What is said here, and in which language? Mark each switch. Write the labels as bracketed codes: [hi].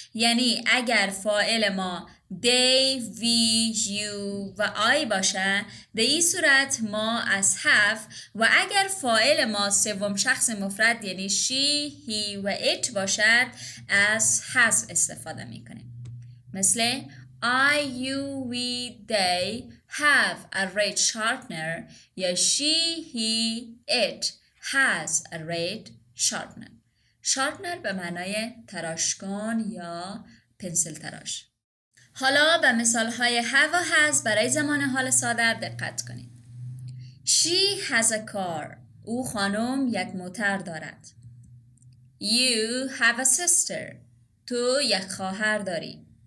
[fa] یعنی اگر فاعل ما they, we, you و I باشه به این صورت ما از have، و اگر فاعل ما سوم شخص مفرد یعنی she, he و it باشد از has استفاده می کنیم. [en] مثل I, you, we, they have a red sharpener یا she, he, it has a red sharpener. [fa] Sharpener به معنای تراشکن یا پنسل تراش. حالا به مثال های have و has برای زمان حال ساده دقت کنید. [en] She has a car. [fa] او خانم یک موتر دارد. [en] You have a sister. [fa] تو یک خواهر داری.